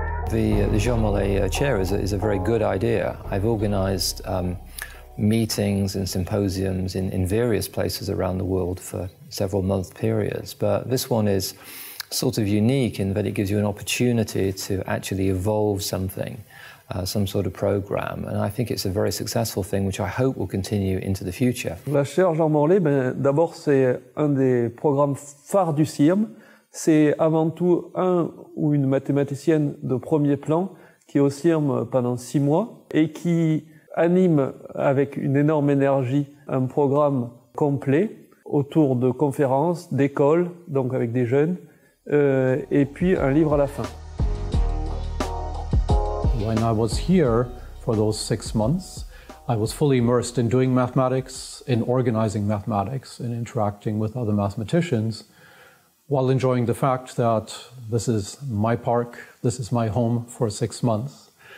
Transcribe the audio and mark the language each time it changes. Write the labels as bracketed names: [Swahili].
[English] the Jean-Morlet Chair is a very good idea. I've organized meetings and symposiums in various places around the world for several month periods, but this one is sort of unique in that it gives you an opportunity to actually evolve something, some sort of program, and I think it's a very successful thing which I hope will continue into the future. [French] La chaire Jean-Morlet, ben, d'abord c'est un des programmes phares du CIRM. C'est avant tout un ou une mathématicienne de premier plan qui est au CIRM pendant 6 mois et qui anime avec une énorme énergie un programme complet autour de conférences, d'écoles, donc avec des jeunes, et puis un livre à la fin. [English] When I was here for those 6 months, I was fully immersed in doing mathematics, in organizing mathematics, in interacting with other mathematicians, while enjoying the fact that this is my park, this is my home for 6 months.